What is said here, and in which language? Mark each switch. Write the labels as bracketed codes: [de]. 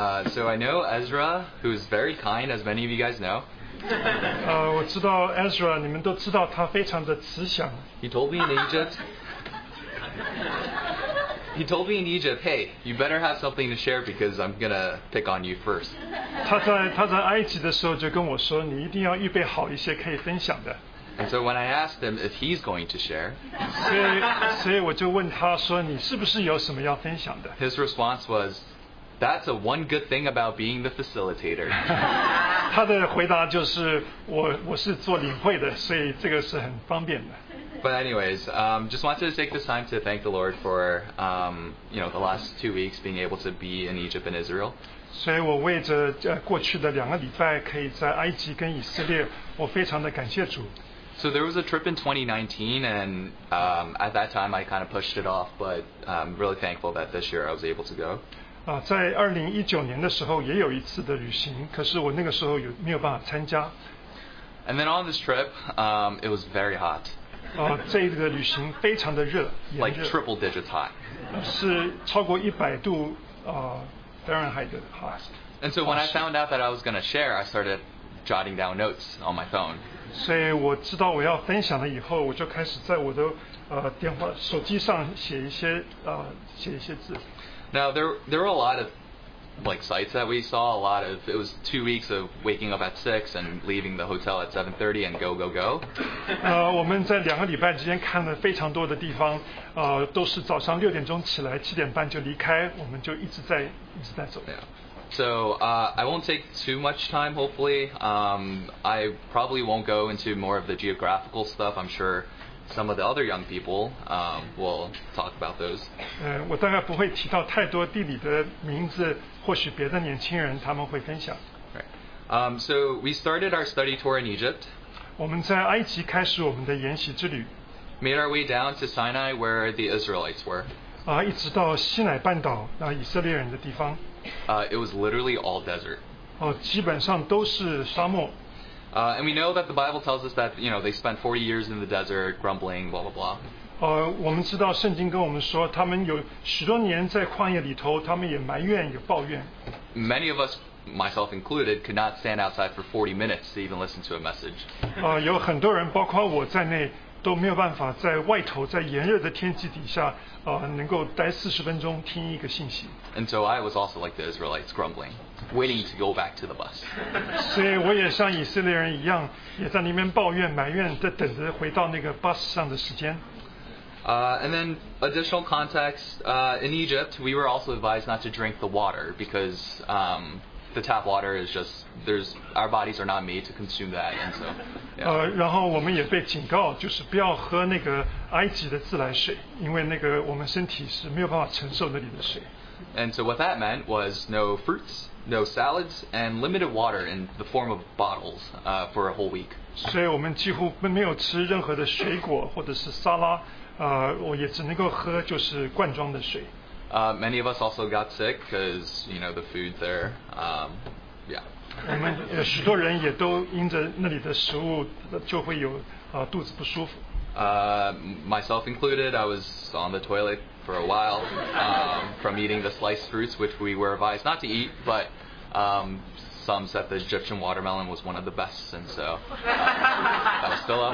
[en] So I know Ezra, who is very kind, as many of you guys know. [zh] 我知道Ezra，你们都知道他非常的慈祥。 [en] He told me in Egypt. He He told me in Egypt, hey, you better have something to share because I'm going to pick on you first. [zh] 他在埃及的时候就跟我说，你一定要预备好一些可以分享的。 [en] And so when I asked him if he's going to share, [zh] 所以我就问他说，你是不是有什么要分享的？ [en] His response was, that's a one good thing about being the facilitator. [zh] 他的回答就是，我是做领会的，所以这个是很方便的。 [en] But anyways, just wanted to take this time to thank the Lord for, you know, the last 2 weeks being able to be in Egypt and Israel. [zh] 所以我为着过去的两个礼拜可以在埃及跟以色列，我非常的感谢主。 [en] So there was a trip in 2019, and at that time I kind of pushed it off, but I'm really thankful that this year I was able to go. [zh] 在2019年的时候也有一次的旅行，可是我那个时候没有办法参加。 [en] And then on this trip, it was very hot. [zh] 这个旅行非常的热，炎热。 [en] Like triple digits hot. [zh] 是超过100度Fahrenheit 的 hot. [en] And so when I found out that I was going to share, I started jotting down notes on my phone. [zh] 所以我知道我要分享了以后，我就开始在我的电话手机上写一些字。 [en] Now there were a lot of like sites that we saw, a lot of it was 2 weeks of waking up at 6 and leaving the hotel at 7:30 and go. [zh] 我们在两个礼拜之间看了非常多的地方，都是早上六点钟起来，七点半就离开，我们就一直在走。 [en] Yeah. So I won't take too much time, hopefully. I probably won't go into more of the geographical stuff, I'm sure. Some of the other young people will talk about those. [zh] 我大概不会提到太多地理的名字，或许别的年轻人他们会分享。 [en] Right. So we started our study tour in Egypt. [zh] 我们在埃及开始我们的研习之旅。 [en] Made our way down to Sinai where the Israelites were. [zh] 一直到西奈半岛，以色列人的地方。 [en] It was literally all desert. [zh] 基本上都是沙漠。 [en] And we know that the Bible tells us that, you know, they spent 40 years in the desert grumbling, blah, blah, blah. [zh] 我们知道圣经跟我们说他们有许多年在旷野里头，他们也埋怨，也抱怨。 [en] Many of us, myself included, could not stand outside for 40 minutes to even listen to a message. [zh] 有很多人包括我在内都没有办法在外头在炎热的天气底下能够待40分钟听一个信息。 [en] And so I was also like the Israelites grumbling, waiting to go back to the bus. [zh] 所以我也像以色列人一样也在那边抱怨埋怨在等着回到那个 bus 上的时间。 [en] And then additional context, in Egypt, we were also advised not to drink the water because the tap water is just, our bodies are not made to consume that, and so, yeah. [zh] 然后我们也被警告，就是不要喝那个埃及的自来水，因为那个我们身体是没有办法承受那里的水。 [en] And so what that meant was no fruits, no salads, and limited water in the form of bottles for a whole week. [zh] 所以我们几乎没有吃任何的水果或者是沙拉，我也只能够喝就是罐装的水。 [en] Many of us also got sick because, you know, the food there, yeah. [zh] 我们许多人也都因着那里的食物就会有肚子不舒服。 [en] Myself included, I was on the toilet for a while from eating the sliced fruits, which we were advised not to eat, but some said the Egyptian watermelon was one of the best, and so that was still up.